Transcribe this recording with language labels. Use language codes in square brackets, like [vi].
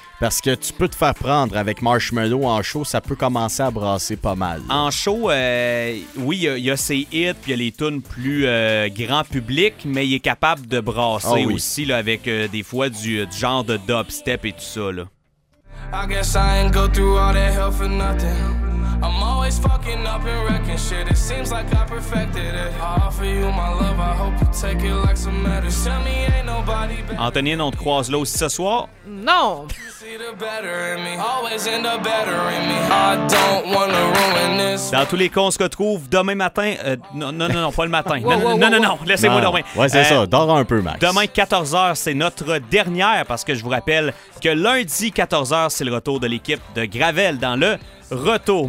[fr] Parce que tu peux te faire prendre avec Marshmello en show, ça peut commencer à brasser pas mal. Là. En show, oui, il y a ses hits, puis il y a les tunes plus grand public, mais il est capable de brasser aussi là, avec des fois du genre de dubstep et tout ça. Là. [en] I guess I ain't go through all that hell for nothing. I'm always fucking up and wrecking shit. It seems like I perfected it. I offer you my love. I hope you take it like some medicine. Tell me ain't nobody better. [fr] Antonine, on te croise là aussi ce soir? Non! [en] See the better in me. Always end up better in me. I don't wanna ruin this. [fr] Dans tous les cas, on se retrouve demain matin. Non, pas le matin. Non, laissez-moi dormir. Ouais, c'est ça. Dors un peu, Max. Demain, 14h, c'est notre dernière parce que je vous rappelle que lundi, 14h, c'est le retour de l'équipe de Gravel dans le retour.